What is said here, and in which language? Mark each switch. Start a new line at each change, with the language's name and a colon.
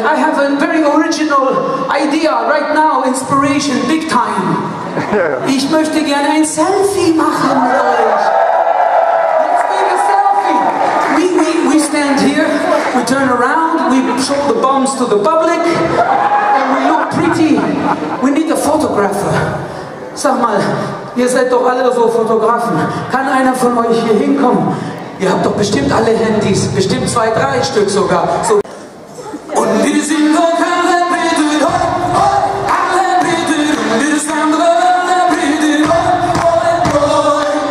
English: I have a very original idea right now, inspiration, big time.
German: Ich möchte gerne ein Selfie machen mit euch.
English: Let's make a selfie. We stand here, we turn around, we show the bombs to the public, and we look pretty. We need a photographer.
German: Sag mal, ihr seid doch alle so Fotografen. Kann einer von euch hier hinkommen? Ihr habt doch bestimmt alle Handys, bestimmt zwei, drei Stück sogar. So. Und wir sind doch alle bitte, hoi, hoi, alle bitte. Wir sind doch alle bitte, hoi, hoi, hoi.